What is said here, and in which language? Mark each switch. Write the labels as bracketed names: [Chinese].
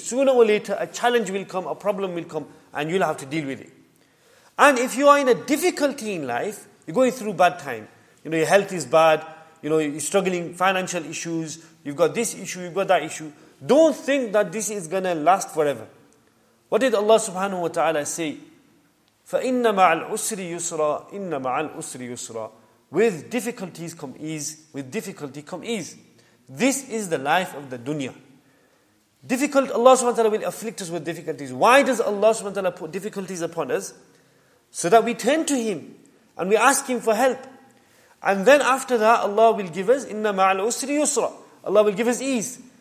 [English] Sooner or later, a challenge will come, a problem will come, and you'll have to deal with it. And if you are in a difficulty in life, you're going through a bad time. You know, your health is bad. You know, you're struggling, financial issues. You've got this issue, you've got that issue. Don't think that this is going to last forever. What did Allah subhanahu wa ta'ala say? [Arabic] فَإِنَّ مَعَ الْعُسْرِ يُسْرًا إِنَّ مَعَ الْعُسْرِ يُسْرًا [English] With difficulties come ease. With difficulty come ease. This is the life of the dunya. Difficult, Allah subhanahu wa ta'ala will afflict us with difficulties. Why does Allah subhanahu wa ta'ala put difficulties upon us? So that we turn to Him and we ask Him for help. And then after that, Allah will give us, [Arabic] إِنَّ مَعَ الْعُسْرِ يُسْرًا [English] Allah will give us ease.